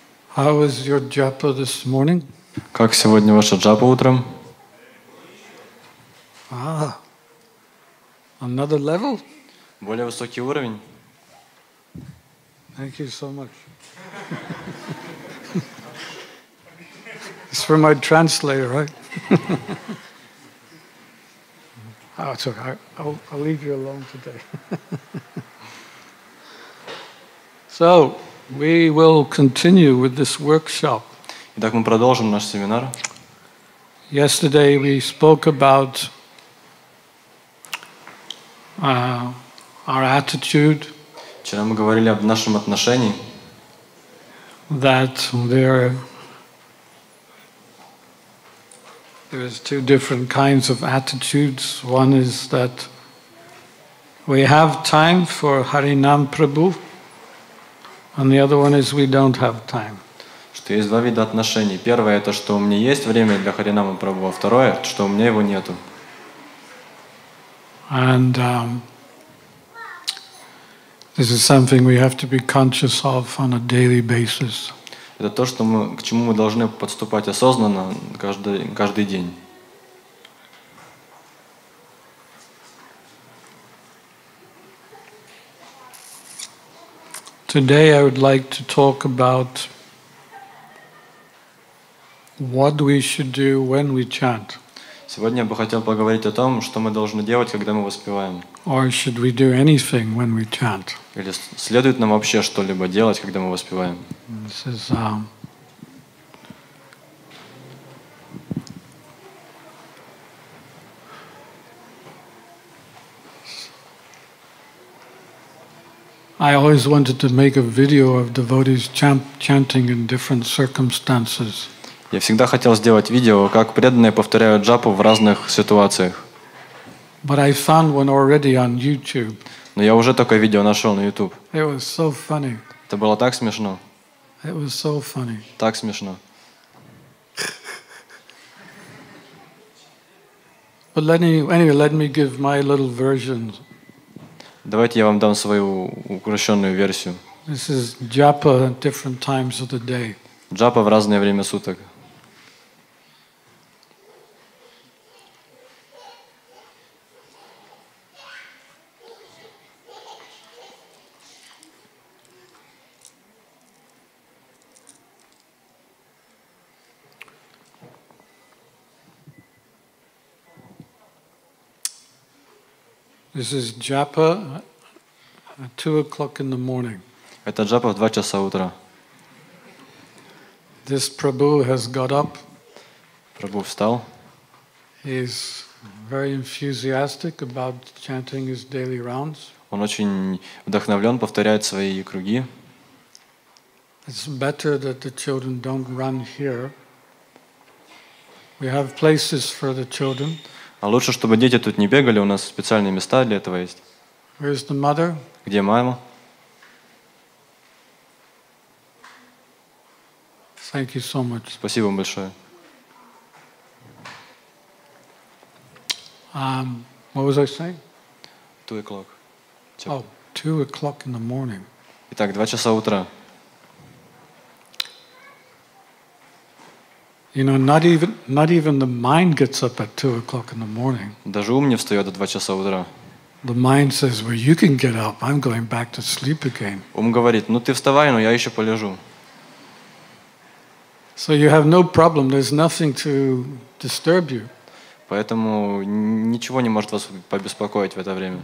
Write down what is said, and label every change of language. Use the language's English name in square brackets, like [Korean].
[English] How was your japa this morning? [Russian] Как сегодня ваша джапа утром? [English] Ah, another level? [Russian] Более высокий уровень. [English] Thank you so much. It's for my translator, right? Oh, it's okay. I'll leave you alone today. So we will continue with this workshop. [Russian] Итак, мы продолжим наш семинар. [English] Yesterday we spoke about our attitude. [Russian] Вчера мы говорили об нашем отношении. [English] That there's two different kinds of attitudes. One is that we have time for Harinam Prabhu, and the other one is we don't have time. [Russian] Что есть два вида отношений. Первое это что у меня есть время для Харинама Прабху, а второе что у меня его нету. [English] And this is something we have to be conscious of on a daily basis. [Russian] Это то, что мы, к чему мы должны подступать осознанно каждый день. [English] Today I would like to talk about what we should do when we chant. [Russian] Сегодня я бы хотел поговорить о том, что мы должны делать, когда мы воспеваем. [English] Or should we do anything when we chant? [Russian] Или следует нам вообще что-либо делать, когда мы воспеваем? [English] This is I always wanted to make a video of devotees chanting in different circumstances. [Russian] Я всегда хотел сделать видео, как преданные повторяют джапу в разных ситуациях. [English] But I found one already on YouTube. [Russian] Но я уже такое видео нашел на YouTube. [English] It was so funny. [Russian] Это было так смешно. [English] It was so funny. [Russian] Так смешно. [English] But let me give my little version. [Russian] Давайте я вам дам свою укращённую версию. [English] This is japa at different times of the day. [Russian] Джапа в разное время суток. [English] This is japa at 2 o'clock in the morning. [Russian] Это джапа в 2 часа утра. [English] This Prabhu has got up. [Russian] Прабху встал. [English] He's very enthusiastic about chanting his daily rounds. [Russian] Он очень вдохновлен, повторяет свои круги. [English] It's better that the children don't run here. We have places for the children. [Russian] А лучше, чтобы дети тут не бегали, у нас специальные места для этого есть. Где мама? [English] Thank you so much. [Russian] Спасибо вам большое. [English] What was I saying? 2 o'clock. Oh, 2 o'clock in the morning. [Russian] Итак, 2 часа утра. [English] You know, not even the mind gets up at 2 o'clock in the morning. [Russian] Даже ум не встает до 2 часа утра. [English] The mind says, "Well, you can get up. I'm going back to sleep again." [Russian] Ум говорит: "Ну ты вставай, но я еще полежу." [English] So you have no problem. There's nothing to disturb you. [Russian] Поэтому ничего не может вас побеспокоить в это время.